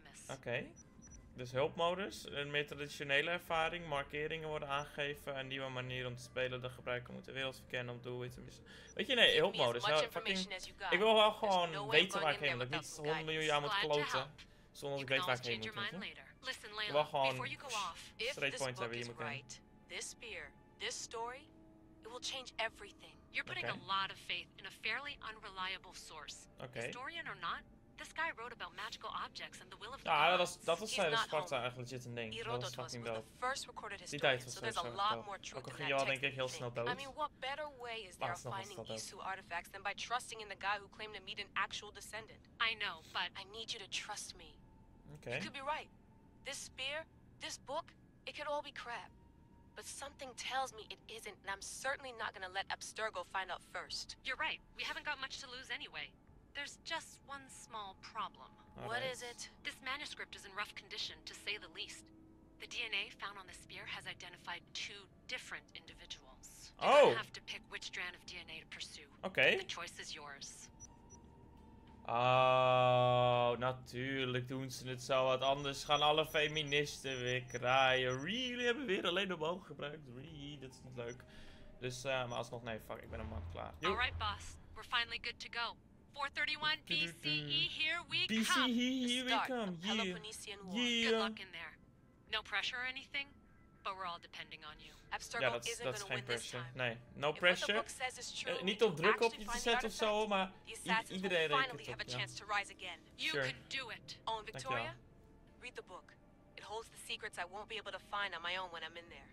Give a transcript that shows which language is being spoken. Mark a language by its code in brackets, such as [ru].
[nl] Oké. Dus hulpmodus, een meer traditionele ervaring, markeringen worden aangegeven, een nieuwe manier om te spelen, de gebruiker moet de wereld verkennen om doelwit te missen. Weet je, nee, hulpmodus. Nou, fucking, ik wil wel gewoon weten waar ik heen moet, niet 100 miljoen jaar moet kloten, zonder dat ik weet waar ik heen moet. Ik wil gewoon [en] straight points [nl] hebben hier moeten. [en] This beer, this story, it will change everything. You're putting a lot of faith in a fairly unreliable source. Okay. Historian or not, this guy wrote about magical objects and the will of the gods. [nl] Dat was zijn Sparta eigenlijk legit een ding. Dat was fucking dope. Die tijd was sowieso echt dope. Ook al ging je al denk ik heel snel dood. [en] I mean, what better way is there of finding Isu artifacts than by trusting in the guy who claimed to meet an actual descendant? I know, but I need you to trust me. Okay. You could be right. This spear, this book, it could all be crap. But something tells me it isn't, and I'm certainly not gonna let Abstergo find out first. You're right. We haven't got much to lose anyway. There's just one small problem. Okay. What is it? This manuscript is in rough condition, to say the least. The DNA found on the spear has identified two different individuals. Oh! You have to pick which strand of DNA to pursue. Okay. The choice is yours. [nl] Oh, natuurlijk doen ze het zo wat anders. Gaan alle feministen weer kraaien. Really, hebben weer alleen de boom gebruikt. Really, dat is niet leuk. Dus, maar alsnog, nee, fuck, ik ben een man klaar. [en] Yo. Alright, boss. We're finally good to go. 431 BCE, here we come. BCE, here we come. Yeah. Good luck in there. No pressure or anything, but we're all depending on you. [nl] Ja, dat is geen pressure. Nee, [en] no pressure. [nl] Niet om druk op je te zetten of zo, maar iedereen rekent op, ja. [en] Sure. [nl] Dankjewel. [en] Read the book. It holds the secrets I won't be able to find on my own when I'm in there.